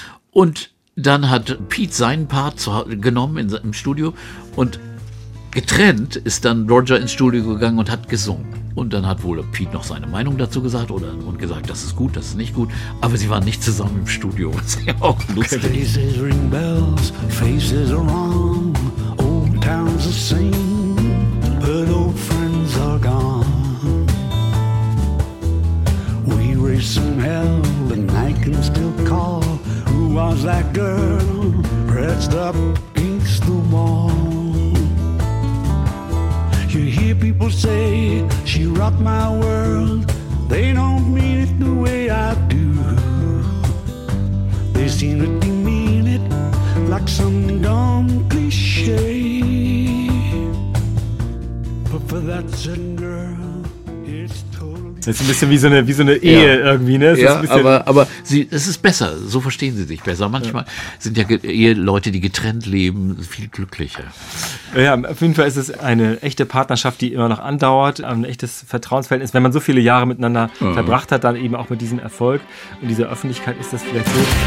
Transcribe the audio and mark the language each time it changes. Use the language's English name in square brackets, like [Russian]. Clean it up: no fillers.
[German] Und dann hat Pete seinen Part genommen im Studio, und getrennt ist dann Roger ins Studio gegangen und hat gesungen. Und dann hat wohl Pete noch seine Meinung dazu gesagt und gesagt, das ist gut, das ist nicht gut. Aber sie waren nicht zusammen im Studio. Das ist ja auch lustig. [English] Faces ring bells, faces are wrong, old towns are same, but old friends are gone. We raised some hell, the night can still call. Was that girl pressed up against the wall? You hear people say she rocked my world. They don't mean it the way I do. They seem to really mean it like some dumb cliche. But for that certain girl, it's totally. [German] Das ist ein bisschen wie so eine Ehe, ja, irgendwie, ne? Das, ja, ist aber sie, es ist besser. So verstehen sie sich besser. Manchmal, ja, sind ja Leute, die getrennt leben, viel glücklicher. Ja, auf jeden Fall ist es eine echte Partnerschaft, die immer noch andauert. Ein echtes Vertrauensverhältnis. Wenn man so viele Jahre miteinander, mhm, verbracht hat, dann eben auch mit diesem Erfolg und dieser Öffentlichkeit, ist das vielleicht so.